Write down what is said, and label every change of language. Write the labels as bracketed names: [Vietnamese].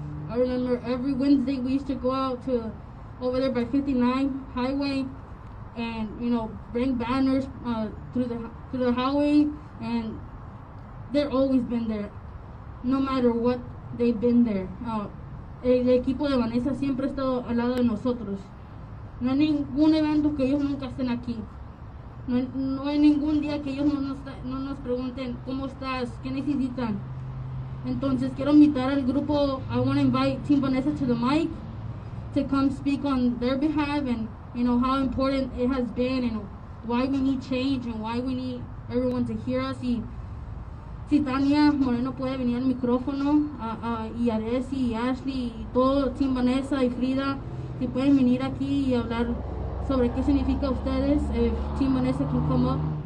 [English] I remember every Wednesday we used to go out to over there by 59 Highway. And you know, bring banners through the highway, and they're always been there, no matter what they've been there. [Spanish] El equipo de Vanessa siempre ha estado al lado de nosotros. No hay ningún evento que ellos nunca estén aquí. No hay ningún día que ellos no nos pregunten cómo estás, qué necesitan. Entonces quiero invitar al grupo. [English] I want to invite Team Vanessa to the mic to come speak on their behalf and. You know, how important it has been and why we need change and why we need everyone to hear us. [Spanish] Y si Tania Moreno puede venir al micrófono, y Aresi, y Ashley, y todo, Team Vanessa y Frida, si pueden venir aquí y hablar sobre qué significa ustedes, [English] if Team Vanessa can come up.